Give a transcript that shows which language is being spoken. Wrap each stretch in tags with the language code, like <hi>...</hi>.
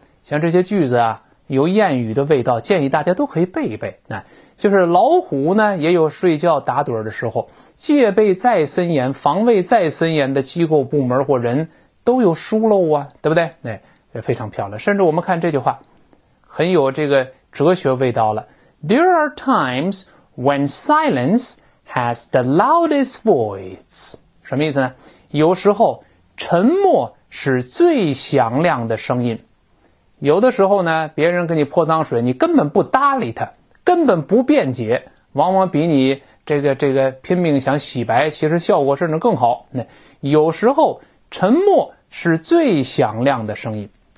<zh>像这些句子啊，有谚语的味道，建议大家都可以背一背。就是老虎呢也有睡觉打盹的时候，戒备再森严，防卫再森严的机构部门或人都有疏漏啊，对不对？也非常漂亮。甚至我们看这句话很有这个哲学味道了。</zh> <en>There are times when silence has the loudest voice。</en> <zh>什么意思呢？有时候沉默是最响亮的声音。有的时候呢，别人给你泼脏水，你根本不搭理他，根本不辩解，往往比你这个拼命想洗白，其实效果甚至更好。那有时候沉默是最响亮的声音。</zh>